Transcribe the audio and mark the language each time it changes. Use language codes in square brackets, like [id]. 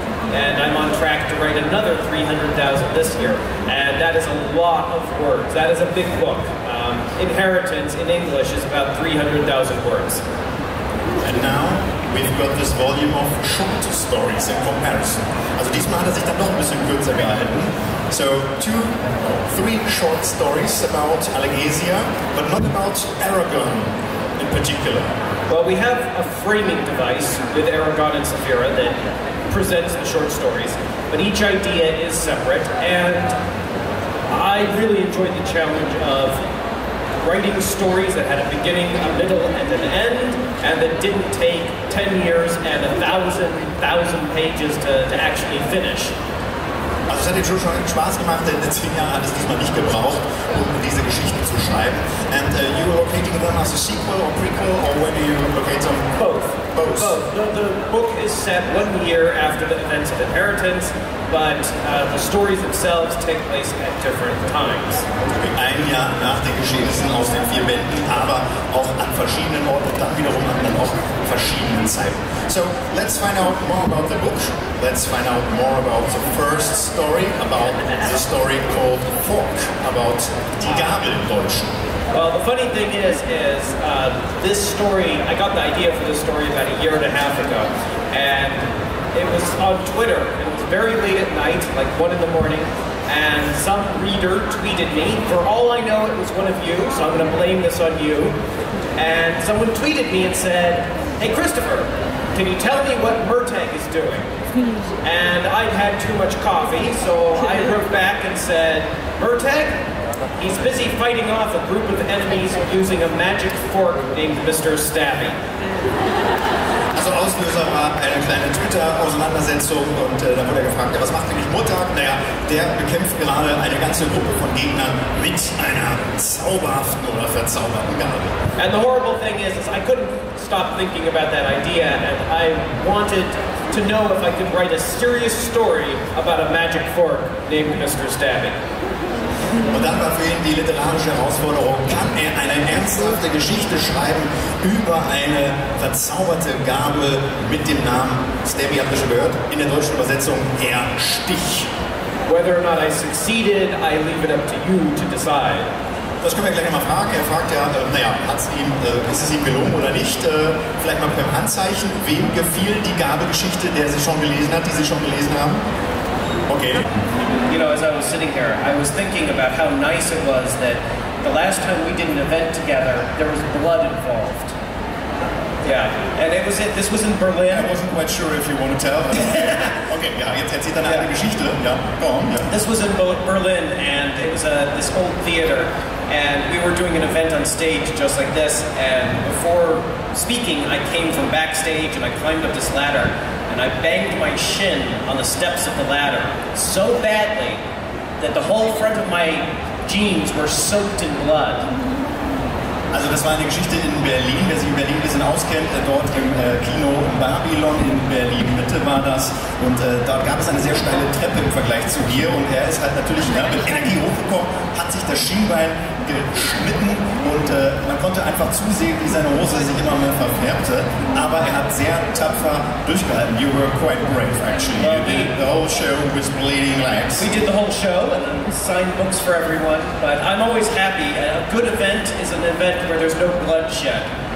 [en] And I'm on track to write another 300,000 this year. And that is a lot of words. That is a big book. Inheritance in English is about 300,000 words. And now we've got this volume of short stories in comparison. [de] Also diesmal hat sich dann noch ein bisschen kürzer gehalten. [en] So, three short stories about Alagesia, but not about Aragon in particular. Well, we have a framing device with Aragon and Saphira that presents the short stories, but each idea is separate, and I really enjoyed the challenge of writing stories that had a beginning, a middle, and an end, and that didn't take 10 years and 1,000 pages to actually finish. [de] Also es hat dir schon Spaß gemacht, denn 10 Jahre hat es diesmal nicht gebraucht, um diese Geschichten zu schreiben. [en] And you were locating them as a sequel or prequel, or where do you locate them? Both. Both. Both. The book is set 1 year after the events of Inheritance, but the stories themselves take place at different times. [de] Okay, ein Jahr nach den Geschehnissen aus den vier Bänden, aber auch an verschiedenen Orten und dann wiederum an dann auch verschiedenen Zeiten. [en] So, let's find out more about the book. Let's find out more about the first story, about the story called Fork, about [de] die Gabel in Deutsch. [en] Well, the funny thing is this story, I got the idea for this story about a year and a half ago, and it was on Twitter. It was very late at night, like 1 in the morning, and some reader tweeted me. For all I know, it was one of you, so I'm going to blame this on you. And someone tweeted me and said, "Hey, Christopher, can you tell me what Murtagh is doing?" And I'd had too much coffee, so I wrote back and said, "Murtagh? He's busy fighting off a group of enemies using a magic fork named Mr. Stabby." [de] Also Auslöser war eine kleine Twitter-Auseinandersetzung und da wurde er gefragt, ja, was macht nämlich Murtagh? Naja, der bekämpft gerade eine ganze Gruppe von Gegnern mit einer zauberhaften oder verzauberten Gabel. [en] And the horrible thing is I couldn't stop thinking about that idea, and I wanted to know if I could write a serious story about a magic fork named Mr. Stabby. [de] Und dann war für ihn die literarische Herausforderung, kann er eine ernsthafte Geschichte schreiben über eine verzauberte Gabel mit dem Namen, Stabby habt ihr schon gehört, in der deutschen Übersetzung, Herr Stich. [en] Whether or not I succeeded, I leave it up to you to decide. [de] Das können wir gleich nochmal fragen. Er fragt ja, ist es ihm gelungen oder nicht? Vielleicht mal per Handzeichen, wem gefiel die Gabelgeschichte, die Sie schon gelesen haben? Okay. [en] You know, as I was sitting here, I was thinking about how nice it was that the last time we did an event together, there was blood involved. Yeah, and this was in Berlin. I wasn't quite sure if you want to tell. [de] Okay, yeah, jetzt erzählt er eine Geschichte. Ja, [en] go on. [de] Yeah. [en] This was in Berlin, and it was this old theater, and we were doing an event on stage just like this, and before speaking, I came from backstage, and I climbed up this ladder, and I banged my shin on the steps of the ladder so badly that the whole front of my jeans were soaked in blood. [de] Also das war eine Geschichte in Berlin, wer sich in Berlin ein bisschen auskennt, dort im Kino in Babylon in Berlin Mitte war das. Und dort gab es eine sehr steile Treppe im Vergleich zu hier und er ist halt natürlich mit Energie hochgekommen, hat sich das Schienbein geschnitten und man konnte einfach zusehen, wie seine Hose sich immer mehr verfärbte. Aber er hat sehr tapfer durchgehalten. [en] You were quite brave, actually. You did the whole show with bleeding legs. We did the whole show and signed books for everyone, but I'm always happy. A good event is an event where there's no bloodshed.